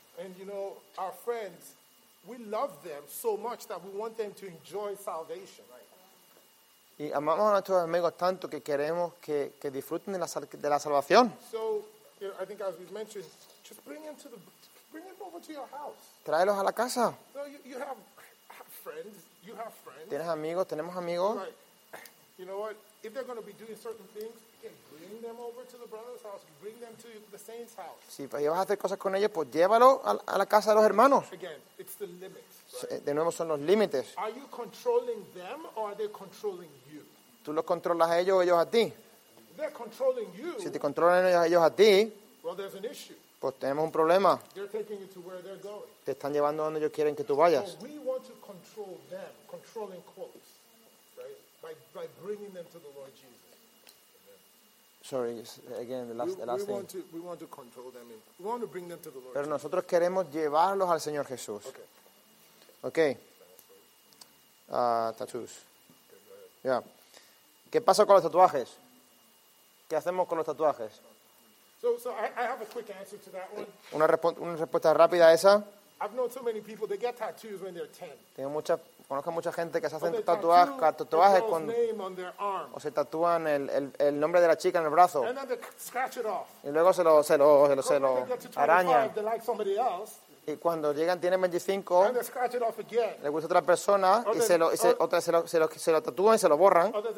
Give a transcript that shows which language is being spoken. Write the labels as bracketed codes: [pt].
[en] And you know, our friends, we love them so much that we want them to enjoy salvation, right? [es] Y amamos a nuestros amigos tanto que queremos que disfruten de la salvación. [en] So, you know, I think as we've mentioned, just bring them over to your house. [es] Tráelos a la casa. [en] So you have friends. [es] Tienes amigos, tenemos amigos. [en] Right. You know what? If they're going to be doing certain things, bring them over to the brother's house. Bring them to the saint's house. [es] Si vas a hacer cosas con ellos, pues llévalo a la casa de los hermanos. [en] Again, it's the limit. [es] De nuevo, son los límites. [en] Are you controlling them or are they controlling you? [es] ¿Tú los controlas a ellos o ellos a ti? [en] They're controlling you. [es] Si te controlan ellos a ti, [en] well, there's an issue. [es] Pues tenemos un problema. [en] They're taking you to where they're going. [es] Te están llevando donde ellos quieren que tú vayas. [en] So we want to control them, controlling quotes, right? By bringing them to the Lord Jesus. Sorry, again, the last thing. We want to control them. We want to bring them to the Lord Jesus. [es] Pero nosotros queremos llevarlos al Señor Jesús. Okay. Ok, tattoos. Yeah. ¿Qué pasa con los tatuajes? ¿Qué hacemos con los tatuajes? [en] So I have a quick answer to that one. [es] Una respuesta rápida a esa. [en] I've known so many people, they get tattoos when they're 10. [es] Conozco a mucha gente que se hacen tatuajes cuando, [en] name on their arm. [es] O se tatúan el nombre de la chica en el brazo. [en] And then they scratch it off. [es] Y luego se lo araña. Y cuando llegan, tienen 25, le gusta otra persona, se lo tatúan y se lo borran.